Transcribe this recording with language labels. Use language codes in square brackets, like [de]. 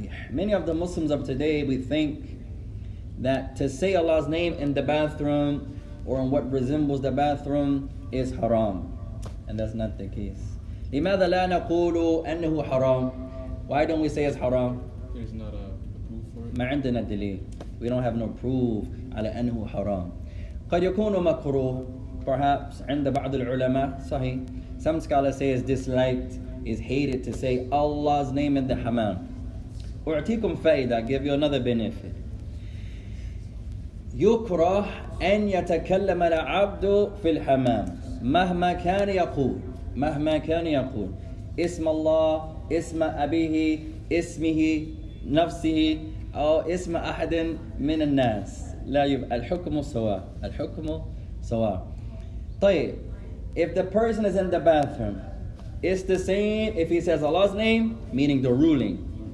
[en] Many of the Muslims of today, we think that to say Allah's name in the bathroom or in what resembles the bathroom is haram, and that's not the case. [ar] لماذا لا نقول أنه حرام? [en] Why don't we say it's haram? There's not a proof for it. [ar] ما عندنا دليل. [en] We don't have no proof [ar] على أنه حرام. قد يكون مكروه. [en] Perhaps [ar] عند بعض العلماء صحيح. [en] Some scholars say it's disliked, is hated to say Allah's name in the hammam. [ar] أعطيكم فائدة. [en] Give you another benefit. [ar] يكره أن يتكلم العبد في الحمام. مهما كان يقول مهما كان يقول اسم الله اسم أبيه اسمه نفسه أو اسم أحد من الناس لا يبقى الحكم سواء الحكم سواء طيب [en] if the person is in the bathroom it's the same if he says Allah's name meaning the ruling